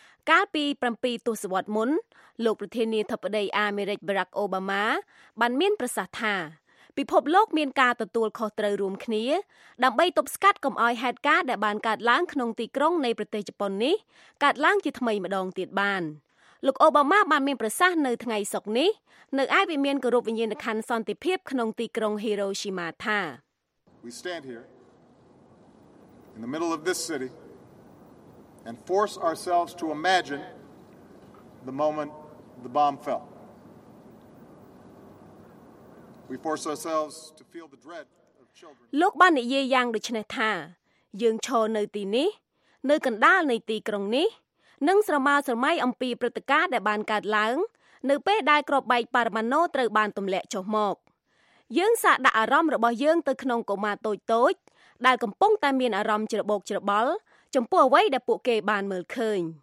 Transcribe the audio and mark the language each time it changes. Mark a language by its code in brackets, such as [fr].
[km] កាលពី7ទសវត្សមុនលោកប្រធានាធិបតីអាមេរិក Barack Obama បានមានប្រសាសន៍ថាពិភពលោកមានការទទួលខុសត្រូវរួមគ្នាដើម្បីទប់ស្កាត់កុំឲ្យហេតុការណ៍ដែលបានកើតឡើងក្នុងទីក្រុងនៃប្រទេសជប៉ុននេះកើតឡើងជាថ្មីម្ដងទៀតបានលោកអូបាម៉ាបានមានប្រសាសន៍នៅថ្ងៃសុក្រនេះនៅឯវិមានគោរពវិញ្ញាណក្ខន្ធសន្តិភាពក្នុងទីក្រុង Hiroshima ថា [en] We stand here in the middle of this city and force ourselves to imagine the moment the bomb fell. We force ourselves to feel the dread of children. [km] លោកបាននិយាយយ៉ាងដូចនេះថាយើងឈរនៅទីនេះនៅកណ្ដាលនៃទីក្រុងនេះនឹងស្រមើស្រមៃអំពីព្រឹត្តិការណ៍ដែលបានកើតឡើងនៅពេលដែលគ្រាប់បែកប៉ារ៉ាម៉ាណូត្រូវបានទម្លាក់ចុះមកយើងសាកដាក់អារម្មណ៍របស់យើងទៅក្នុងកូម៉ាតូចៗដែលកំពុងតែមានអារម្មណ៍ច្របូកច្របល់ចំពោះអ្វីដែលពួកគេបានមើលឃើញ